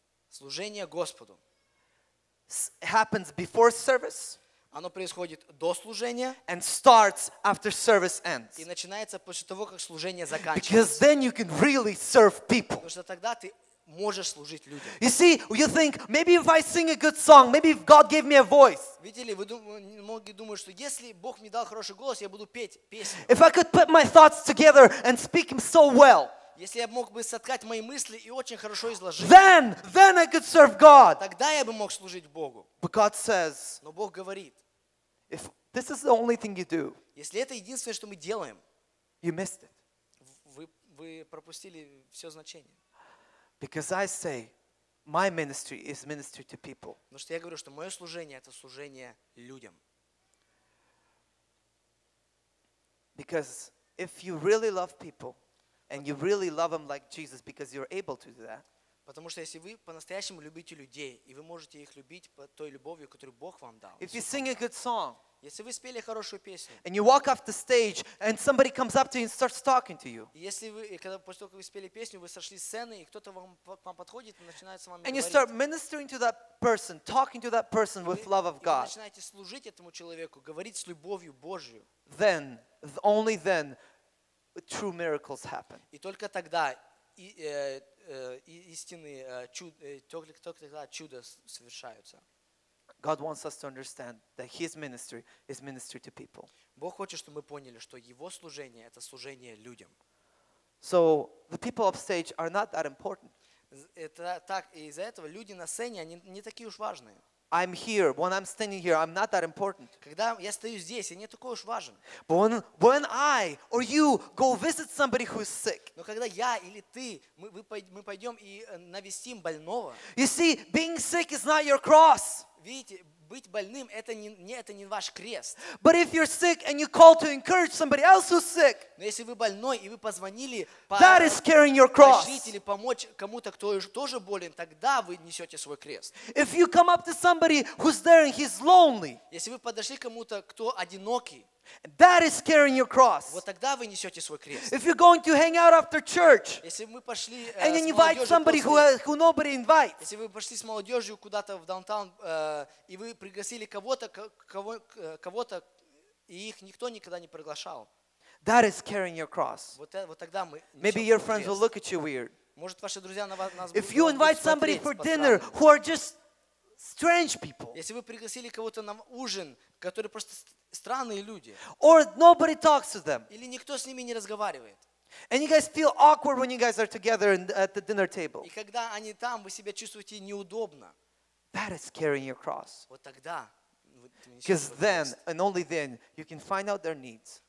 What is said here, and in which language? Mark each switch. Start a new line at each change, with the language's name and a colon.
Russian: Служение Господу.
English: Happens before service.
Russian: Оно происходит до служения.
English: And starts after service ends.
Russian: И начинается после того, как служение заканчивается.
English: Because then you can really serve people.
Russian: Потому что тогда ты можешь служить людям.
English: You see, you think, maybe if I sing a good song, maybe if God gave me a voice.
Russian: Видели, вы многие думают, что если Бог мне дал хороший голос, я буду петь песню.
English: If I could put my thoughts together and speak Him so well.
Russian: Если я мог бы соткать мои мысли и очень хорошо изложить.
English: Then I could serve God.
Russian: Тогда я бы мог служить Богу.
English: But God says.
Russian: Но Бог говорит.
English: If this is the only thing you do.
Russian: Если это единственное, что мы делаем.
English: You missed it.
Russian: Вы пропустили все значение.
English: Because I say, my ministry is ministry to people.
Russian: Потому что я говорю, что мое служение это служение людям.
English: Because if you really love people. And you really love them like Jesus because you're able to do that.
Russian: Потому что если вы по-настоящему любите людей и вы можете их любить той любовью, которую Бог вам дал.
English: If you sing a good song.
Russian: Если вы спели хорошую песню.
English: And you walk off the stage and somebody comes up to you and starts talking to you.
Russian: Если вы когда после того, как вы спели песню, вы сошли с сцены и кто-то вам подходит и начинает с вами говорить.
English: And you start ministering to that person, talking to that person with love of God.
Russian: И вы начинаете служить этому человеку, говорить с любовью Божью.
English: Then, only then. True miracles happen.
Russian: И только тогда истинные только тогда чудо совершаются.
English: God wants us to understand that His ministry is ministry to people.
Russian: Бог хочет, чтобы мы поняли, что Его служение это служение людям.
English: So the people upstage are not that important.
Russian: Это так и из-за этого люди на сцене они не такие уж важные.
English: I'm here. When I'm standing here, I'm not that important.
Russian: Когда я стою здесь, я не такой уж важен.
English: But when I or you go visit somebody who is sick.
Russian: Но когда я или ты, мы пойдем и навестим больного.
English: You see, being sick is not your cross.
Russian: Видите, быть больным это не ваш крест.
English: But if you're sick and you call to encourage somebody else who's sick.
Russian: Но если вы больной и вы позвонили,
English: that is carrying your cross.
Russian: Пожить или помочь кому-то, кто тоже болен, тогда вы несете свой крест.
English: If you come up to somebody who's there and he's lonely.
Russian: Если вы подошли к кому-то, кто одинокий,
English: that is carrying your cross.
Russian: Вот тогда вы несете свой крест.
English: If you're going to hang out after church.
Russian: Если мы пошли
English: and invite somebody who nobody invites.
Russian: Если вы пошли с молодежью куда-то в даунтаун и вы пригласили кого-то и их никто никогда не приглашал.
English: That is carrying your cross.
Russian: Вот тогда мы.
English: Maybe your friends will look at you weird.
Russian: Может ваши друзья на нас.
English: If you invite somebody for dinner who are just strange people.
Russian: Если вы пригласили кого-то на ужин, которые просто странные люди.
English: Or nobody talks to them.
Russian: Или никто с ними не разговаривает.
English: And you guys feel awkward when you guys are together at the dinner table.
Russian: И когда они там, вы себя чувствуете неудобно.
English: That is carrying your cross.
Russian: Вот тогда.
English: Because then and only then you can find out their needs.